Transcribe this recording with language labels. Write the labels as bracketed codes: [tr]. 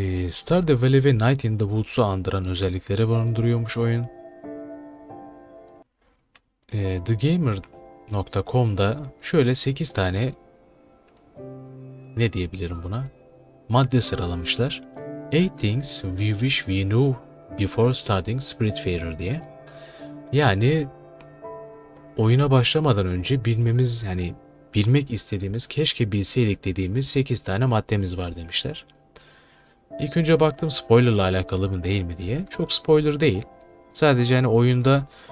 [tr] Stardew Valley ve Night in the Woods'u andıran özelliklere barındırıyormuş oyun. TheGamer.com'da şöyle 8 tane ne diyebilirim buna? Madde sıralamışlar. [en] 8 things we wish we knew before starting Spiritfarer [tr] diye. Yani oyuna başlamadan önce bilmemiz, yani bilmek istediğimiz, keşke bilseydik dediğimiz 8 tane maddemiz var demişler. İlk önce baktım spoiler ile alakalı mı değil mi diye. Çok spoiler değil. Sadece hani oyunda